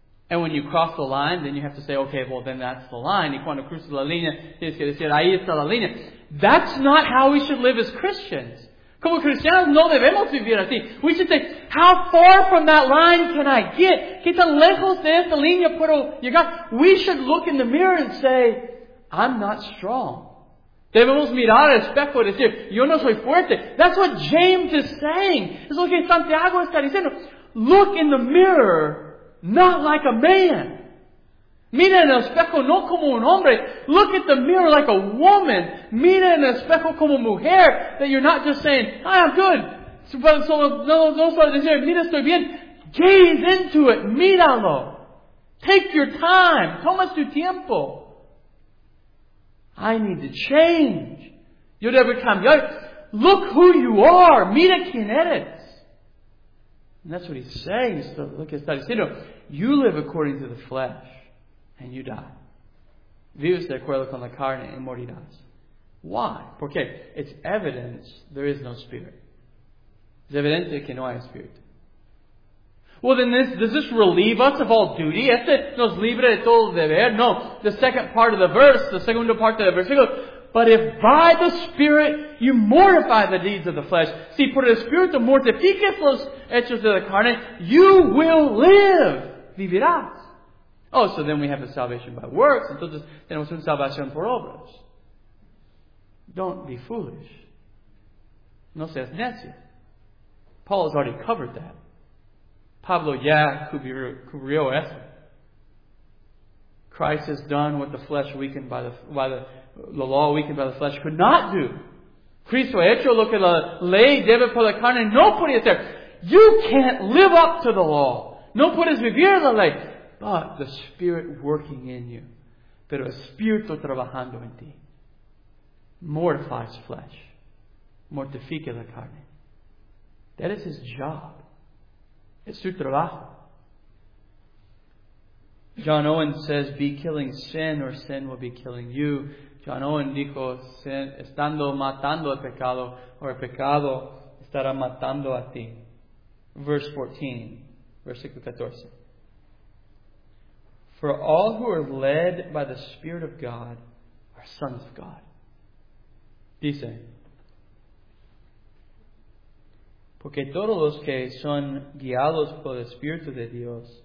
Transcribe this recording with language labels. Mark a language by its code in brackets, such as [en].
[en] And when you cross the line, then you have to say, okay, well, then that's the line. [es] Y cuando cruzas la línea, tienes que decir, ahí está la línea. [en] That's not how we should live as Christians. [es] Como cristianos, no debemos vivir así. [en] We should say, how far from that line can I get? [es] ¿Qué tan lejos de esta línea puedo llegar? [en] We should look in the mirror and say, I'm not strong. [es] Debemos mirar al espejo y decir, yo no soy fuerte. [en] That's what James is saying. [es] Es lo que Santiago está diciendo. [en] Look in the mirror, not like a man. [es] Mira en el espejo no como un hombre. [en] Look at the mirror like a woman. [es] Mira en el espejo como mujer. [en] That you're not just saying, I am good. [es] No, mira, estoy bien. [en] Gaze into it. [es] Míralo. [en] Take your time. [es] Toma tu tiempo. [en] I need to change. [es] Yo debo cambiar. [en] Look who you are. [es] Mira quién eres. [en] And that's what he's saying. So look at that. He said, you live according to the flesh and you die. [es] Vives de acuerdo con la carne y morirás. [en] Why? Porque it's evidence there is no spirit. [es] Es evidente que no hay espíritu. [en] Well, then does this relieve us of all duty? [es] ¿Este nos libre de todo deber? No. [en] The second part of the verse, [es] the segunda parte del versículo. [en] But if by the Spirit you mortify the deeds of the flesh, [es] si por el Espíritu mortificas los hechos de la carne, [en] you will live. [es] Vivirás. [en] Oh, so then we have a salvation by works. [es] Entonces tenemos una salvación por obras. [en] Don't be foolish. [es] No seas necio. [en] Paul has already covered that. [es] Pablo ya cubrió eso. [en] Christ has done what the flesh weakened by the law weakened by the flesh could not do. [es] Cristo ha hecho lo que la ley debe por la carne. No puede hacer. [en] You can't live up to the law. [es] No puedes vivir la ley. [en] But the Spirit working in you. [es] Pero Espíritu trabajando en ti. [en] Mortifies flesh. [es] Mortifica la carne. [en] That is his job. It's [es] su trabajo. [en] John Owen says, be killing sin or sin will be killing you. [es] John Owen dijo, sin, estando matando el pecado o el pecado estará matando a ti. Versículo 14. [en] For all who are led by the Spirit of God are sons of God. [es] Dice, porque todos los que son guiados por el Espíritu de Dios,